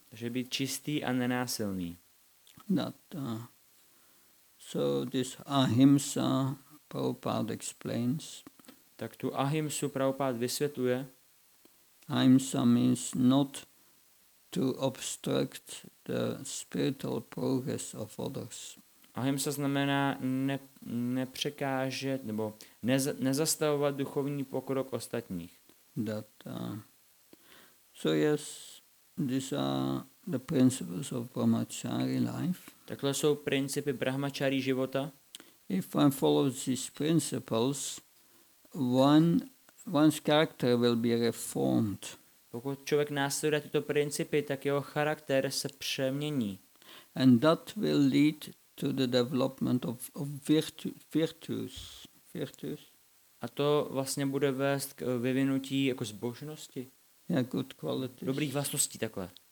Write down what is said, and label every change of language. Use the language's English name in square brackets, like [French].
[Czech] Takže být čistý a nenásilný. [English] That, so this ahimsa Prabhupada explains. [Czech] Tak tu ahimsu Prabhupada vysvětluje. [English] Ahimsa means not to obstruct the spiritual progress of others. [Czech] Ahimsa znamená nepřekážet nebo nezastavovat duchovní pokrok ostatních. [English] That, so yes, these are the principles of brahmachari life. [Czech] Takhle jsou principy brahmachari života. [English] If one follows these principles, one's character will be reformed. [Czech] Pokud člověk následuje tyto principy, tak jeho charakter se přemění. [English] And that will lead to the development of virtues. [Czech] A to vlastně bude vést k vyvinutí jako zbožnosti. [English] Yeah, good qualities. [Czech] Dobrých vlastností takhle.